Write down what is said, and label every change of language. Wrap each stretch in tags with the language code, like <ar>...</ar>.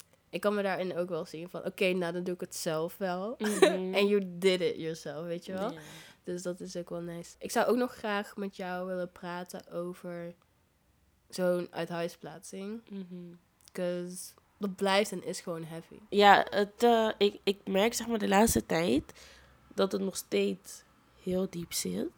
<nl>ik kan me daarin ook wel zien van, oké, nou, dan doe ik het zelf wel.</nl> <en>And you did it yourself,</en> <nl>weet je wel? Yeah. Dus dat is ook wel nice. Ik zou ook nog graag met jou willen praten over zo'n uithuisplaatsing. Because dat blijft en is gewoon heavy. Ja, ik merk zeg maar de laatste tijd dat het nog steeds heel diep zit.</nl>